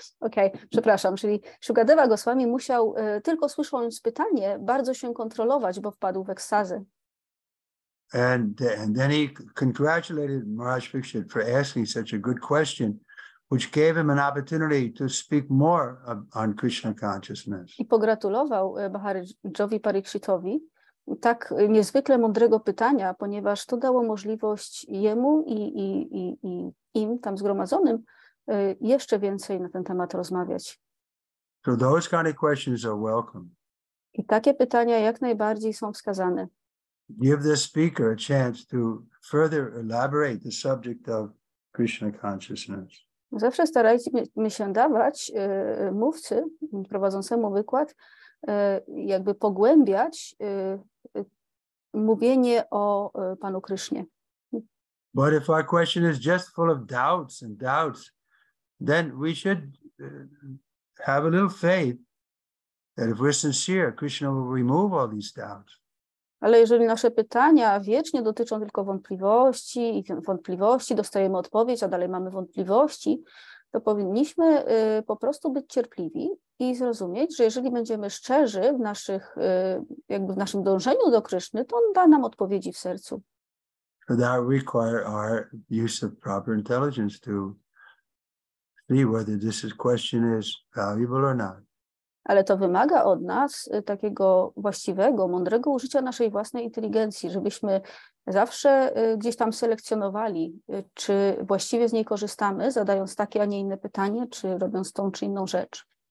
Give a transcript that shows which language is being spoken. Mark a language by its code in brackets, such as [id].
[pl] Okej, przepraszam, czyli Sukadeva Goswami musiał tylko słysząc pytanie bardzo się kontrolować, bo wpadł w ekstazę. [en] And then he congratulated Maharaj Pikshit for asking such a good question, which gave him an opportunity to speak more on Krishna consciousness. [pl] I pogratulował Maharajowi Parikshitowi tak niezwykle mądrego pytania, ponieważ to dało możliwość jemu i im tam zgromadzonym jeszcze więcej na ten temat rozmawiać. [en] So those kind of questions are welcome. [pl] I takie pytania jak najbardziej są wskazane. [en] Give the speaker a chance to further elaborate the subject of Krishna consciousness. [pl] Zawsze starajmy się dawać mówcy, prowadzącemu wykład, jakby pogłębiać mówienie o Panu Krysznie. [en] But if our question is just full of doubts, then we should have a little faith that if we're sincere, Krishna will remove all these doubts. [pl] Ale jeżeli nasze pytania wiecznie dotyczą tylko wątpliwości i wątpliwości, dostajemy odpowiedź, a dalej mamy wątpliwości, to powinniśmy po prostu być cierpliwi i zrozumieć, że jeżeli będziemy szczerzy w naszych, jakby w naszym dążeniu do Kryszny, to On da nam odpowiedzi w sercu. [en] That requires our use of proper intelligence to see whether this question is valuable or not. [pl] Ale to wymaga od nas takiego właściwego, mądrego użycia naszej własnej inteligencji, żebyśmy zawsze gdzieś tam selekcjonowali, czy właściwie z niej korzystamy, zadając takie, a nie inne pytanie, czy robiąc tą, czy inną rzecz.